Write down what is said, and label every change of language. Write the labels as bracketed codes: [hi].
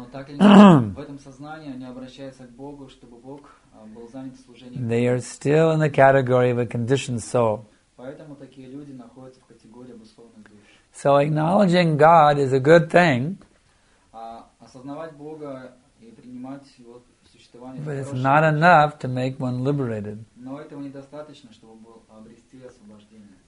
[en] They are still in the category of a conditioned soul. [ru] Поэтому такие люди находятся в категории обусловленных душ. [en] So acknowledging God is a good thing. [ru] Осознавать Бога и принимать его существование. [en] But it's not enough to make one liberated. [ru] Но этого недостаточно, чтобы обрести освобождение.